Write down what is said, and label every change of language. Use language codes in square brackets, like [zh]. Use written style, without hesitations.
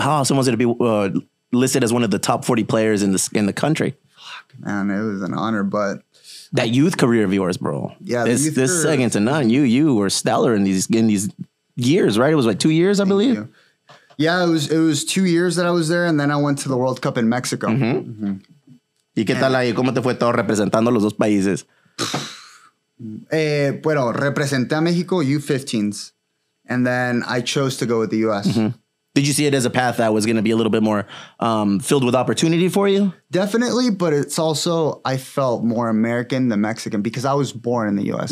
[en] Hey, how awesome was it to be listed as one of the top 40 players in the country? Fuck, man, it was an honor, but... That youth career of yours, bro. Yeah, this second to none. You were stellar in these years, right? It was like 2 years, I believe. Thank you. Yeah, it was 2 years that I was there, and then I went to the World Cup in Mexico. [es] Mm-hmm. Mm-hmm. ¿Y qué tal ahí? ¿Cómo te fue todo representando los dos países? Bueno, representé a México U15s, [en] and then I chose to go with the U.S. Mm-hmm. Did you see it as a path that was going to be a little bit more filled with opportunity for you? Definitely, but it's also, I felt more American than Mexican because I was born in the U.S.